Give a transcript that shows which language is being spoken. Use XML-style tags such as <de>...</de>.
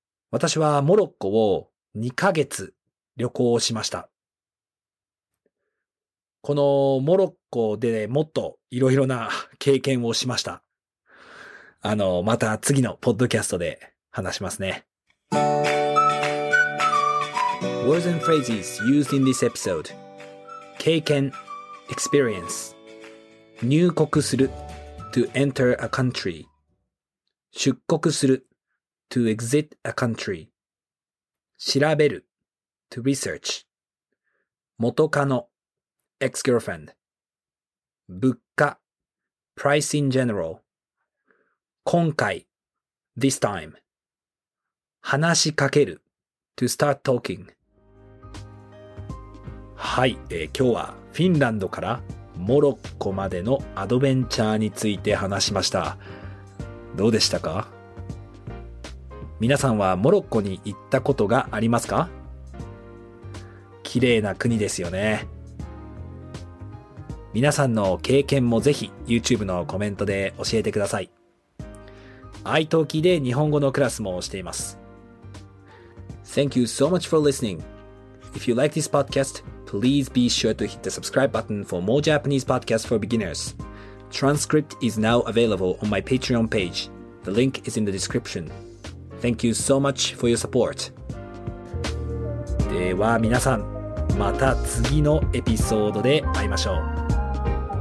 <ja>私はモロッコを2ヶ月旅行をしました。このモロッコでもっといろいろな経験をしました。また次のポッドキャストで話しますね。</ja> <en>Words and phrases used in this episode. 経験 experience. 入国する to enter a country. 出国する to exit a country. 調べる to research. 元カノ ex-girlfriend. 物価 price in general. 今回 this time. 話しかける to start talking.</en> <ja>はい、今日はフィンランドからモロッコまでのアドベンチャーについて話しました。どうでしたか？皆さんはモロッコに行ったことがありますか？綺麗な国ですよね。皆さんの経験もぜひ YouTube のコメントで教えてください。 iTalkiで日本語のクラスもしています。</ja> <en>Thank you so much for listening. If you like this podcast, please be sure to hit the subscribe button for more Japanese podcasts for beginners. Transcript is now available on my Patreon page. The link is in the description. Thank you so much for your support.</en> <ja>では皆さん、また次のエピソードで会いましょう。</ja>